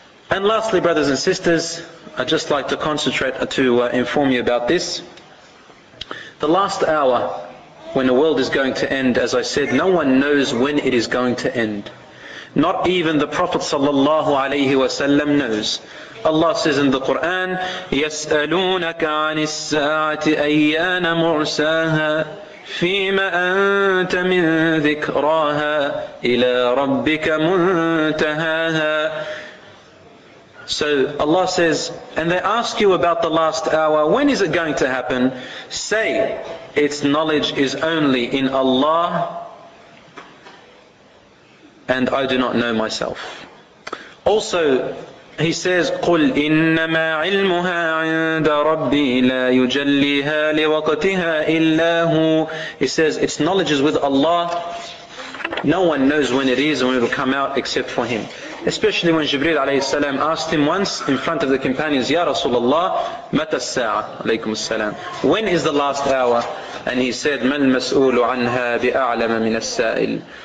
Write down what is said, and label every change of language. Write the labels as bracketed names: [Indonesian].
[English] And lastly, brothers and sisters, I'd just like to concentrate to inform you about this. The last hour, when the world is going to end, as I said, no one knows when it is going to end. Not even the Prophet sallallahu alayhi wa sallam knows. Allah says in the Quran, [Arabic] يَسْأَلُونَكَ عَنِ السَّاعَةِ أَيَّانَ مُرْسَاهَا فِيمَ أَنْتَ مِنْ ذِكْرَاهَا إِلَىٰ رَبِّكَ مُنْتَهَاهَا. [English] So Allah says, and they ask you about the last hour, when is it going to happen? Say, its knowledge is only in Allah, and I do not know myself. Also, he says, [Arabic] قُلْ إِنَّمَا عِلْمُهَا عِنْدَ رَبِّي لَا يُجَلِّيهَا لِوَقْتِهَا إِلَّا هُ. [English] He says, its knowledge is with Allah. No one knows when it is and when it will come out except for him. Especially when Jibreel alayhi salam asked him once in front of the companions, [Arabic] Ya Rasulullah, Mata as-sa'a alaykum as-salam. [English] When is the last hour? And he said, [Arabic] Man mas'oolu anha bi'a'lama min as-sa'il.